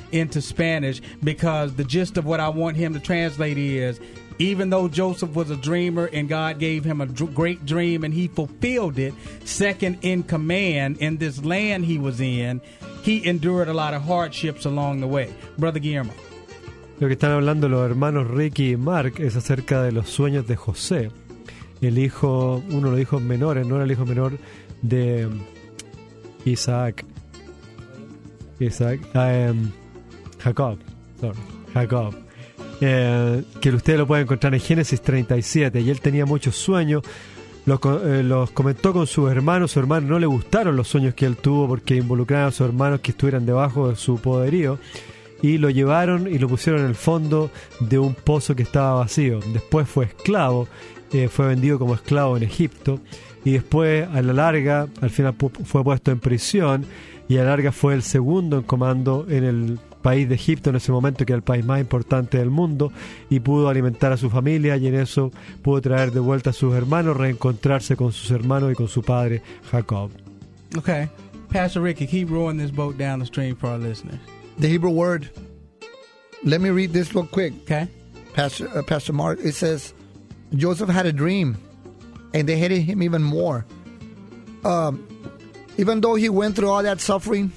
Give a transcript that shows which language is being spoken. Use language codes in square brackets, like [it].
[en] into Spanish, because the gist of what I want him to translate is, even though Joseph was a dreamer and God gave him a great dream and he fulfilled it, second in command in this land he was in, he endured a lot of hardships along the way. Brother Guillermo. [es] Lo que están hablando los hermanos Ricky y Mark es acerca de los sueños de José, el hijo, uno de los hijos menores, no era el hijo menor de Jacob. [en] Sorry, Jacob. [es] Que ustedes lo pueden encontrar en Génesis 37, y él tenía muchos sueños, los comentó con sus hermanos. Sus hermanos no le gustaron los sueños que él tuvo porque involucraron a sus hermanos que estuvieran debajo de su poderío, y lo llevaron y lo pusieron en el fondo de un pozo que estaba vacío. Después fue esclavo, fue vendido como esclavo en Egipto, y después a la larga, al final fue puesto en prisión, y a la larga fue el segundo en comando en el país de Egipto, en ese momento que era el país más importante del mundo, y pudo alimentar a su familia, y en eso pudo traer de vuelta a sus hermanos, reencontrarse con sus hermanos y con su padre Jacob. [en] Okay, Pastor Ricky, keep rowing this boat down the stream for our listeners. The Hebrew word, let me read this real quick. Okay, Pastor Mark, it says Joseph had a dream and they hated him even more, even though he went through all that suffering.